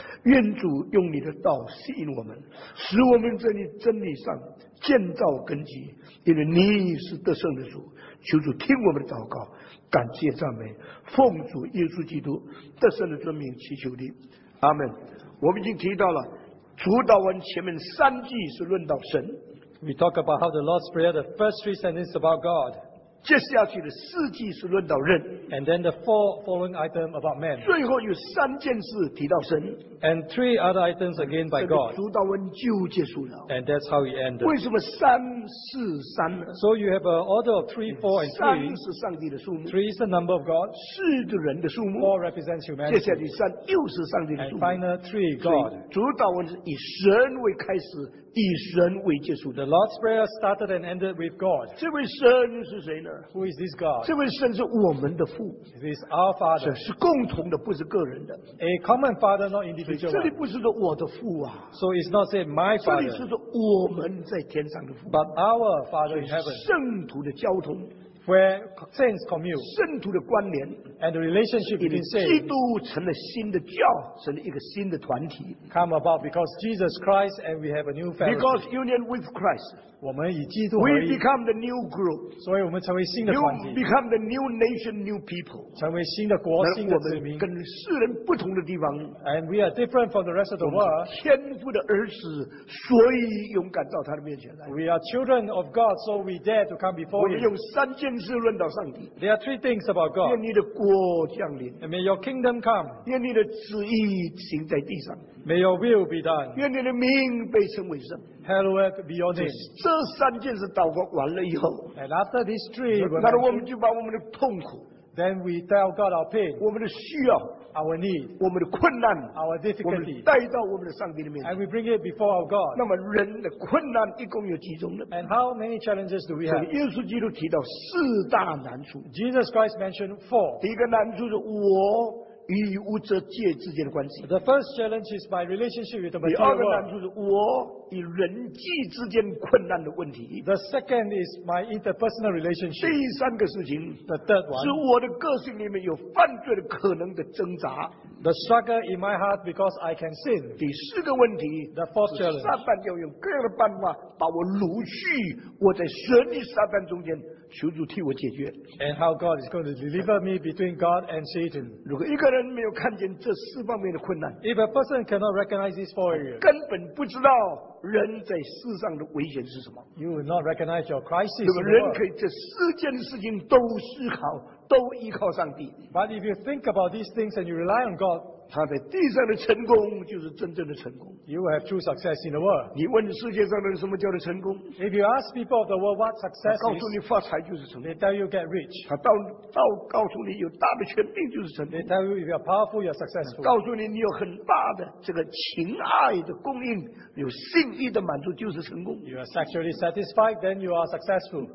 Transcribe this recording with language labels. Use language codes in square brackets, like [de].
[zh] 愿主用你的道吸引我们，使我们在你真理上建造根基，因为你是得胜的主。求主听我们的祷告，感谢赞美，奉主耶稣基督得胜的尊名祈求你，阿们。我们已经提到了主祷文前面三句是论到神。 [en] We talk about how the Lord's Prayer, the first three sentences about God. [zh] 接下去的四句是论到人。 [en] And then the four following items about man. [zh] 最后有三件事提到神。 [en] And three other items again by God. [zh] 主祷文就结束了。 [en] And that's how we end. [zh] 为什么三四三呢？ [en] So you have an order of three, four, and three. [zh] 三是上帝的数目。 [en] Three is the number of God. [zh] 四是人的数目。 [en] Four represents humanity. [zh] 接下去三又是上帝的数目。 [en] And final three, God. [zh] 主祷文是以神为开始。以神为结束。 [en] The Lord's Prayer started and ended with God. [zh] 这位神是谁呢？ [en] Who is this God? [zh] 这位神是我们的父。 [en] It is our Father. [zh] 是共同的，不是个人的。 [en] A common Father, not individual. [zh] 这里不是说我的父啊。 [en] So it's not said my Father. [zh] 这里是说我们在天上的父。 [en] But our Father in heaven. [zh] 圣徒的交通。 [en] Where saints commune. [zh] 圣徒的关联。 [en] And the relationship between saints. [zh] 基督成了新的教，成了一个新的团体。 [en] Come about because Jesus Christ and we have a new family. Because union with Christ. [zh] 我们以基督 [en] 为。We become the new group. [zh] 所以我们成为新的团体。 [en] You become the new nation, new people. [zh] 成为新的国，新的子民。跟世人不同的地方。 [en] And we are different from the rest of the world. [zh] 我们是天父的儿子，所以勇敢到他的面前来。 [en] We are children of God, so we dare to come before him. [zh] 我们用三件事论到上帝。 [en] There are three things about God. [zh] 愿你的国降临。 [en] And may your kingdom come. [zh] 愿你的旨意行在地上。 [en] May your will be done. [zh] 愿你的名被称为圣。 [en] Hallowed be your name. [zh] 这三件事祷告完了以后。 [en] And after this three, [zh] 那我们就把我们的痛苦。 [en] Then we tell God our pain. [zh] 我们的需要。 [en] Our need. [zh] 我们的困难。 [en] Our difficulty. [zh] 我们带到我们的上帝的面前。 [en] And we bring it before our God. [zh] 那么人的困难一共有几种呢？ [en] And how many challenges do we have? [zh] 耶稣基督提到四大难处。 [en] Jesus Christ mentioned four. [zh] 第一个难处是我。与物质界之间的关系。 [en] The first challenge is my relationship with the material [zh] world. 第二个难处是我与人际之间困难的问题。 [en] The second is my interpersonal relationship. [zh] 第三个事情 [en] ，the third one， [zh] 是我的个性里面有犯罪的可能的挣扎。 [en] The struggle in my heart because I can sin. [zh] 第四个问题 [en] ，the fourth challenge， [zh] 撒旦要用各样的办法把我掳去，我在神与撒旦中间。求主替我解决。 [en] And how God is going to deliver me between God and Satan. [zh] 如果一个人没有看见这四方面的困难， [en] If a person cannot recognize these four areas, [zh] 根本不知道人在世上的危险是什么。 [en] You will not recognize your crisis. [zh] 如果人可以这四件事情都思考，都依靠上帝。 [en] But if you think about these things and you rely on God, [zh] 他在地上的成功就是真正的成功。 [en] You will have true success in the world. [zh] 你问世界上的人什么叫做成功？ [en] If you ask people of the world what success is, [zh] 告诉你发财就是成功。 [en] They tell you get rich. [zh] 他到告诉你有大的权柄就是成功。 [en] They tell you if you are powerful, you are successful. [zh] 告诉你你有很大的这个情爱的供应，有性欲的满足就是成功。 [en] You are sexually satisfied, then you are successful.